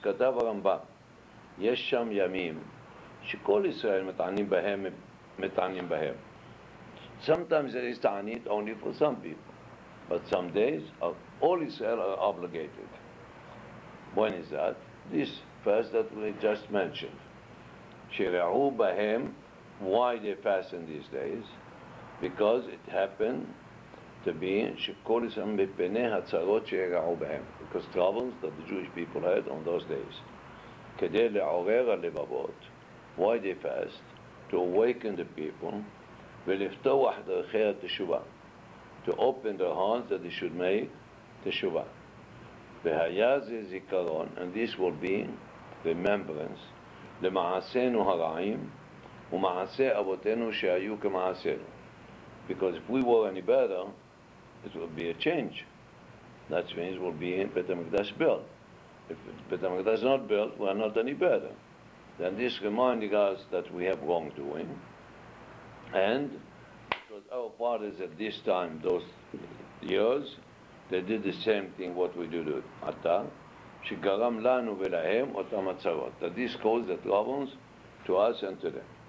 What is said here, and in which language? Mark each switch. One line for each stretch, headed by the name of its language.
Hebrew: Katav Rambam, Yesh Sham Yamim, שכל ישראל מתענים בהם, מתענים בהם.
English: Sometimes there is ta'anit only for some people, but some days all Israel are obligated. When is that? This fast that we just mentioned.
Hebrew: שיראו בהם,
English: why they fast in these days? Because it happened to be
Hebrew: שכל ישראל מפני הצרות שיראו בהם.
English: Because troubles that the Jewish people had on those days.
Hebrew: כדי לעורר הלבבות,
English: why they fast? To awaken the people,
Hebrew: ולפתוח דרכי התשובה,
English: to open their hearts that they should make תשובה.
Hebrew: והיה זה זיכרון,
English: and this will be remembrance,
Hebrew: למעשינו הרעים, ומעשי אבותינו שהיו כמעשינו.
English: Because if we were any better, it would be a change. That means we'll be in Bet HaMikdash built. If Bet HaMikdash is not built, we are not any better. Then this reminding us that we have wrongdoing, and because our fathers at this time, those years, they did the same thing what we do to
Hebrew: Shigaram Lanu Vilahem Otamatsarot,
English: that this caused the troubles to us and to them.